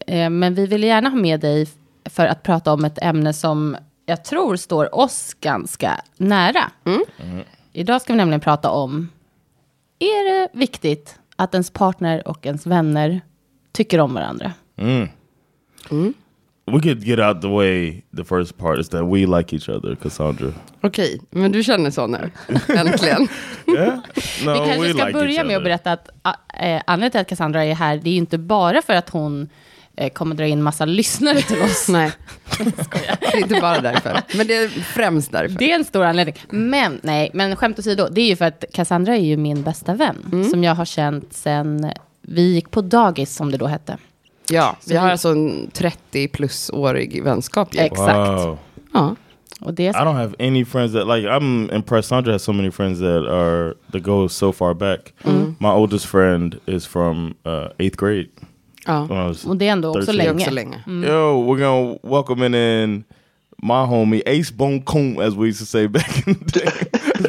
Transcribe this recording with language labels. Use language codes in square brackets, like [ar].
[sv] Men vi vill gärna ha med dig för att prata om ett ämne som jag tror står oss ganska nära. Idag ska vi nämligen prata om, är det viktigt att ens partner och ens vänner tycker om varandra? [en] We could get out the way, the first part is that we like each other, Cassandra. [sv] Okej, okay, men du känner så nu, äntligen. [en] Yeah? No, [sv] vi kanske [en] we [sv] ska [en] like [sv] börja med att berätta att anledningen till att Cassandra är här, det är ju inte bara för att hon kommer dra in massa lyssnare till oss. Nej, det är inte bara därför, men det är främst därför. Det är en stor anledning, men, nej, men skämt åsido, det är ju för att Cassandra är ju min bästa vän, som jag har känt sedan vi gick på dagis, som det då hette. Ja, vi har alltså en 30-plus-årig vänskap. Exakt. Wow. Ja. Och det [en] I don't have any friends that, like, I'm impressed. Sandra has so many friends that are, that go so far back. My oldest friend is from 8th grade. [sv] Ja, och det är ändå 13. Också länge. [en] Yo, we're gonna welcome in my homie, Ace Bon Coon, as we used to say back in the day.